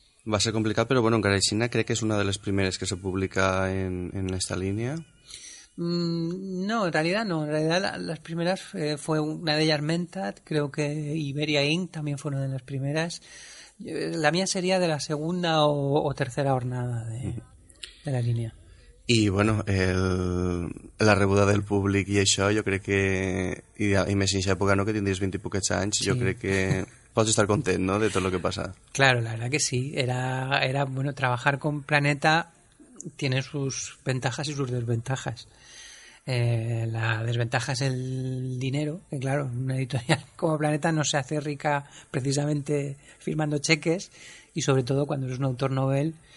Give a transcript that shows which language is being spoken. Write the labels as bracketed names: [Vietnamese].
[Spanish] Va a ser complicado, pero bueno, Garaixina, ¿cree que es una de las primeras que se publica en esta línea? No, en realidad no. En realidad las primeras fue una de ellas, Mentat, creo que Iberia Inc. también fue una de las primeras. La mía sería de la segunda o tercera jornada de la línea. [Catalan] I, bueno, la rebuda del públic i això, jo crec que... I més en aquesta època, no?, que tindries 20 i poquets anys, sí. Jo crec que pots estar content, no?, de tot el que passa. [Spanish] Claro, la verdad que sí. Era bueno, trabajar con Planeta tiene sus ventajas y sus desventajas. La desventaja es el dinero, que claro, una editorial como Planeta no se hace rica precisamente firmando cheques, y sobre todo cuando eres un autor novel...